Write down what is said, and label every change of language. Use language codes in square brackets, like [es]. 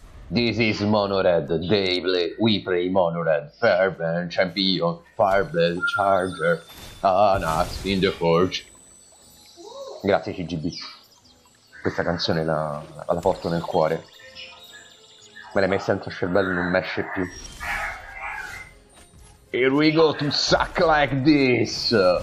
[en] This is Monored, Dayblade, we play Monored, Fervent, Champion, Fireblade, Charger, Anax in the Forge. [it] Grazie CGB, questa canzone la porto nel cuore, me l'hai messa dentro il cervello e non me esce più. [en] Here we go to suck like this!